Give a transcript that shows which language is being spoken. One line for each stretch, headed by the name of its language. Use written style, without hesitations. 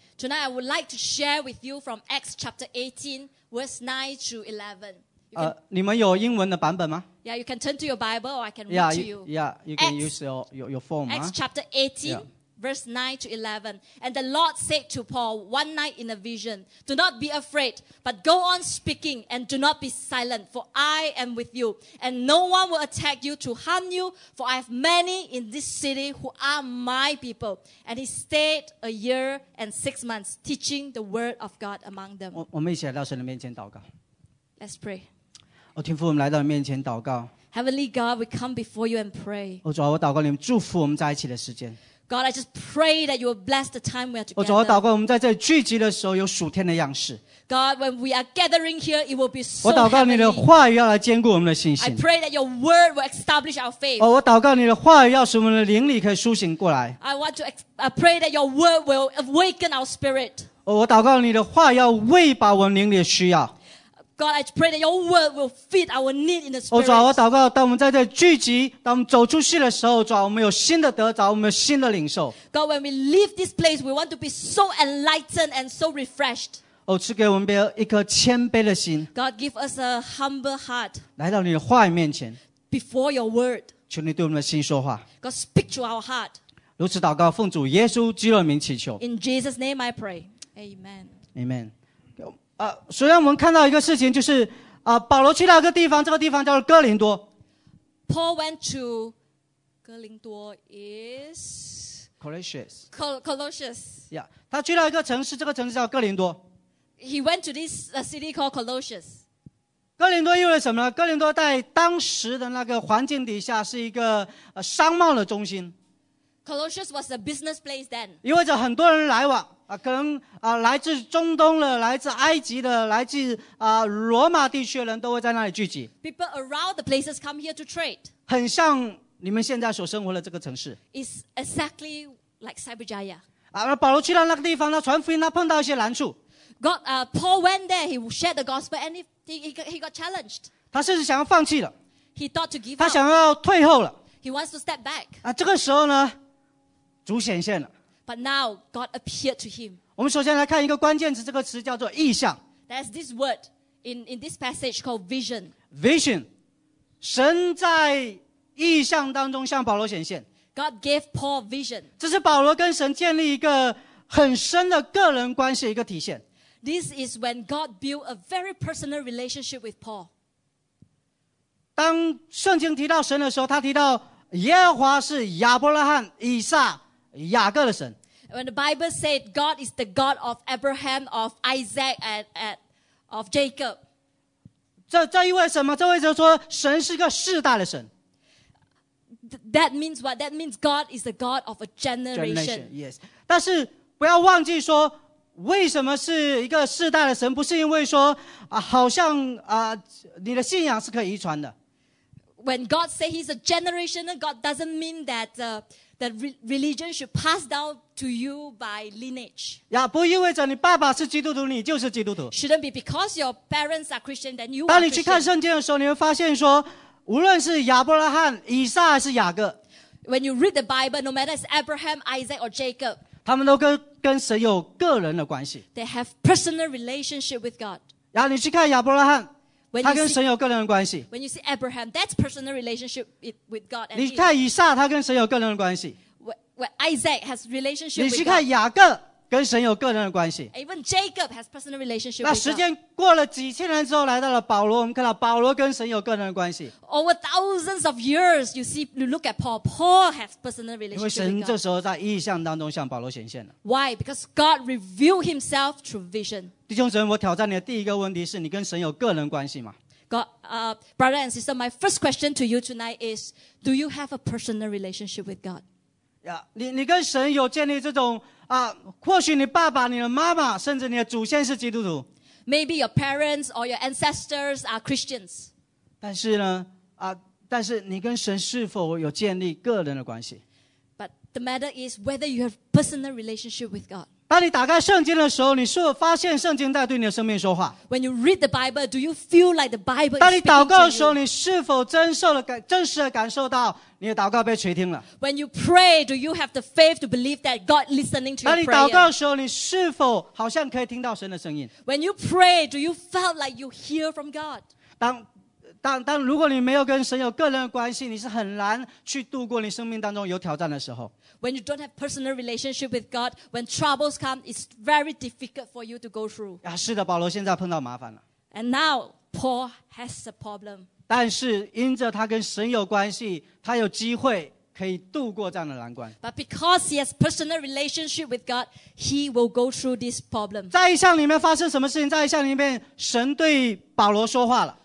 English: Tonight I would like to share with you from Acts chapter 18, verse 9 through 11. Can,
Chinese: 你们有英文的版本吗
English: ？Yeah, you can turn to your Bible, or I can read yeah, to you. Yeah, you can use your phone. Acts chapter 18.、Yeah. Verse 9 to 11. And the Lord said to Paul one night in a vision, Do not be afraid, but go on speaking and do not be silent, for I am with you. And no one will attack you to harm you, for I have many in this city who are my people. And he stayed a year and 6 months teaching the word of God among them.
Chinese: 我们一起来到神的面前祷告。
English: Let's pray.
Chinese: 哦，天父，我们来到你面前祷告。
English: Heavenly God, we come before you and pray.
Chinese: 哦，主啊，我祷告你们祝福我们在一起的时间。
English: God, I just pray that you will bless the time we are together.
Chinese: 主啊，我祷告我们在这里聚集的时候有属天的样式。
English: God, when we are gathering here, it will be so heavenly.
Chinese: 我祷告你的话语要来坚固我们的信心。
English: I pray that your word will establish our faith.
Chinese: 我祷告你的话语要使我们的灵力可以苏醒过来。
English: I pray that your word will awaken our spirit.
Chinese: 我祷告你的话语要喂饱我们灵力的需要。
English: God, I pray that your word will fit our need in the spirit.
Chinese: 主啊，我祷告，当我们在这聚集，当我们走出去的时候，主啊，我们有新的得着，我们有新的领受。
English: God, when we leave this place, we want to be so enlightened and so refreshed.
Chinese: 赐给我们一颗谦卑的心。
English: God, give us a humble heart.
Chinese: 来到你的话语面前。
English: Before your word.
Chinese: 求你对我们的心说话。
English: God, speak to our heart.
Chinese: 如此祷告，奉主耶稣基督的名祈求。
English: In Jesus' name, I pray. Amen. Amen.
Chinese: 首先我们看到一个事情，就是保罗去到一个地方，这个地方叫做哥林多。
English: Paul went to 哥林多 is Colossians. Colossians.
Chinese: Yeah, 他去到一个城市，这个城市叫哥林多。
English: He went to this city called Colossians.
Chinese: 哥林多意味着什么呢？哥林多在当时的那个环境底下是一个商贸的中心。
English: Colossians was a business place then.
Chinese: 意味着很多人来往。可能来自中东的，来自埃及的，来自罗马地区的人都会在那里聚集。
English: People around the places come here to trade.
Chinese: 很像你们现在所生活的这个城市。
English: It's exactly like Cyberjaya.
Chinese: 保罗去到那个地方，他传福音，他碰到一些难处。
English: God, Paul went there. He shared the gospel, and he got challenged.
Chinese: 他甚至想要放弃了。
English: He thought to give up.
Chinese: 他想要退后了。
English: He wants to step back.
Chinese: 这个时候呢，主显现了。
English: But now God appeared to him.
Chinese: 我们首先来看一个关键词，这个词叫做异象。
English: There's this word in this passage called vision.
Chinese: Vision. 神在异象当中向保罗显现。
English: God gave Paul vision.
Chinese: 这是保罗跟神建立一个很深的个人关系一个体现。
English: This is when God built a very personal relationship with Paul.
Chinese: 当圣经提到神的时候，他提到耶和华是亚伯拉罕、以撒。雅各的神。
English: When the Bible said God is the God of Abraham, of Isaac, and of Jacob.
Chinese: 这意味什么？这意味着说神是个世代的神。
English: That means what? That means God is the God of a generation. Generation, yes.
Chinese: 但是不要忘记说，为什么是一个世代的神？不是因为说好像你的信仰是可以遗传的。
English: When God says He's a generation, God doesn't mean that. That religion should pass down to you by lineage.
Chinese: Yeah, 不意味着你爸爸是基督徒，你就是基督徒。
English: Shouldn't be because your parents are Christian that you.
Chinese: 当你去看圣经的时候，你会发现说，无论是亚伯拉罕、以撒还是雅各
English: ，When you read the Bible, no matter it's Abraham, Isaac, or Jacob,
Chinese: 他们都跟神有个人的关系。
English: They have personal relationship with God.
Chinese: 然后你去看亚伯拉罕。他跟神有个人的关系。
English: When you see Abraham, that's personal relationship with God.
Chinese: 你看以撒，他跟神有个人的关系。
English: When Isaac has relationship with God.
Chinese: 你去看雅各，跟神有个人的关系。
English: Even Jacob has personal relationship with God.
Chinese: 那时间过了几千年之后，来到了保罗，我们看到保罗跟神有个人的关系。
English: Over thousands of years, you see, you look at Paul. Paul has personal relationship with God.
Chinese: 因为神这时候在异象当中向保罗显现了。
English: Why? Because God revealed Himself through vision.
Chinese: 弟兄姊妹，我挑战你的第一个问题是你跟神有个人关系吗
English: ？God, brother and sister, my first question to you tonight is, do you have a personal relationship with God?
Chinese: Yeah, 你跟神有建立这种或许你爸爸、你的妈妈，甚至你的祖先是基督徒。
English: Maybe your parents or your ancestors are Christians.
Chinese: 但是呢，但是你跟神是否有建立个人的关系
English: ？But the matter is whether you have personal relationship with God.
Chinese: 当你打开圣经的时候，你是否发现圣经在对你的生命说话？
English: When you read the Bible, do you feel like the Bible is speaking
Chinese: 当你祷告的时候，你是否真实的感受到你的祷告被垂听了？
English: When you pray, do you have the faith to believe that God is listening to your prayer?
Chinese: 当你祷告的时候，你是否好像可以听到神的声音？
English: When you pray, do you feel like you hear from God?
Chinese: 当如果你没有跟神有个人的关系，你是很难去度过你生命当中有挑战的时候。
English: When you don't have personal relationship with God, when troubles come, it's very difficult for you to go through.
Chinese: 啊，是的，保罗现在碰到麻烦了。
English: And now Paul has a problem.
Chinese: 但是因着他跟神有关系，他有机会可以度过这样的难关。
English: But because he has personal relationship with God, he will go through this problem.
Chinese: 在异象里面发生什么事情？在异象里面，神对保罗说话了。